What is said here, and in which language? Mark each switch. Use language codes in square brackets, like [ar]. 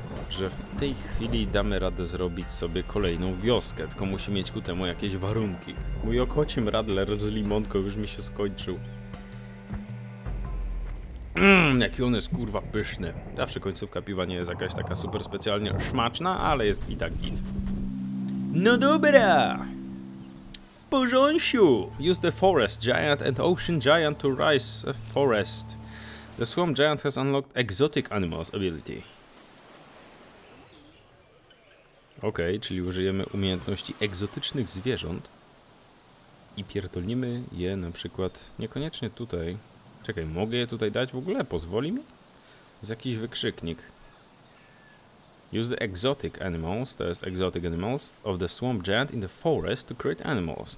[pl] że w tej chwili damy radę zrobić sobie kolejną wioskę, tylko musi mieć ku temu jakieś warunki. Mój okocim radler z limonką już mi się skończył. Jaki on jest, kurwa, pyszny. Zawsze końcówka piwa nie jest jakaś taka super specjalnie smaczna, ale jest i tak git. No dobra! W porządku! [en] Use the forest giant and ocean giant to rise a forest. The swamp giant has unlocked exotic animals ability. [pl] Okej, okay, czyli użyjemy umiejętności egzotycznych zwierząt i pierdolimy je na przykład niekoniecznie tutaj. Czekaj, mogę je tutaj dać w ogóle? Pozwoli mi? Z jakiś wykrzyknik. [en] Use the exotic animals, [pl] to jest [en] exotic animals of the swamp giant in the forest to create animals.